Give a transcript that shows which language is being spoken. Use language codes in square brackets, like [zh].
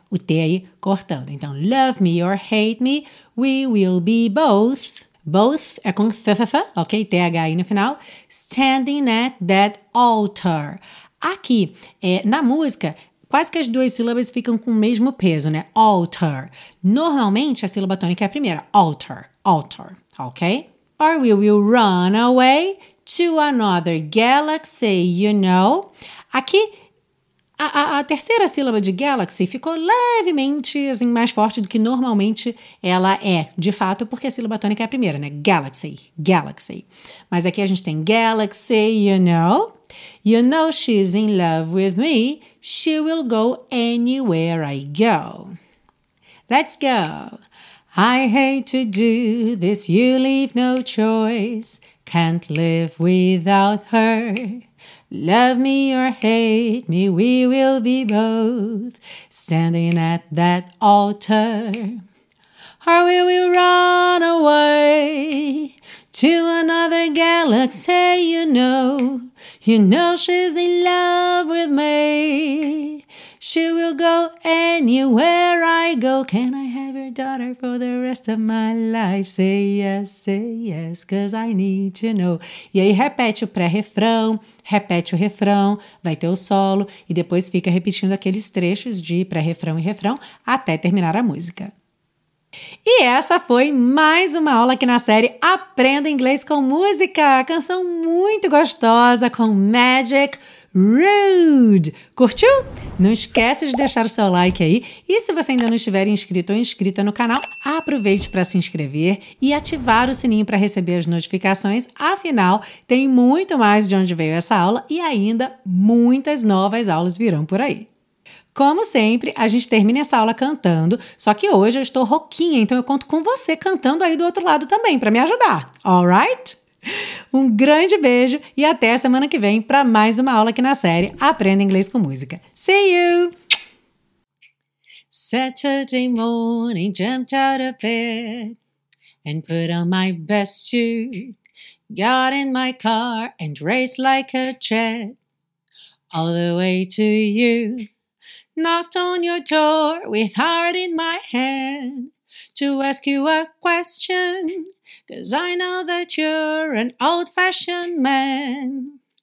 [pt] O T aí cortando. Então, [en] love me or hate me. We will be both. Both é com th, ok? TH [pt] aí no final. [en] Standing at that altar. [pt] Aqui, na música, quase que as duas sílabas ficam com o mesmo peso, né? Alter. Normalmente, a sílaba tônica é a primeira. [en] Alter. Alter. Ok? Or we will run away to another galaxy, you know? [pt] Aqui, a terceira sílaba de galaxy ficou levemente assim, mais forte do que normalmente ela é, de fato, porque a sílaba tônica é a primeira, né? Galaxy. Galaxy. Mas aqui a gente tem galaxy, [en] you know? You know she's in love with me. She will go anywhere I go. Let's go. I hate to do this. You leave no choice. Can't live without her. Love me or hate me. We will be both standing at that altar. Or we will run away to another galaxy, you know. You know she's in love with me. She will go anywhere I go. Can I have your daughter for the rest of my life? Say yes, cause I need to know. [pt] E aí repete o pré-refrão, repete o refrão, vai ter o solo e depois fica repetindo aqueles trechos de pré-refrão e refrão até terminar a música. E essa foi mais uma aula aqui na série Aprenda Inglês com Música, canção muito gostosa com Magic Rude. Curtiu? Não esquece de deixar o seu like aí. E se você ainda não estiver inscrito ou inscrita no canal, aproveite para se inscrever e ativar o sininho para receber as notificações. Afinal, tem muito mais de onde veio essa aula e ainda muitas novas aulas virão por aí. Como sempre, a gente termina essa aula cantando, só que hoje eu estou rouquinha, então eu conto com você cantando aí do outro lado também, para me ajudar. [en] Alright? [pt] Um grande beijo e até semana que vem para mais uma aula aqui na série Aprenda Inglês com Música. [en] See you! Saturday morning, jumped out of bed and put on my best suit. Got in my car and raced like a jet all the way to you. Knocked on your door with heart in my hand to ask you a question, 'cause I know that you're an old-fashioned man.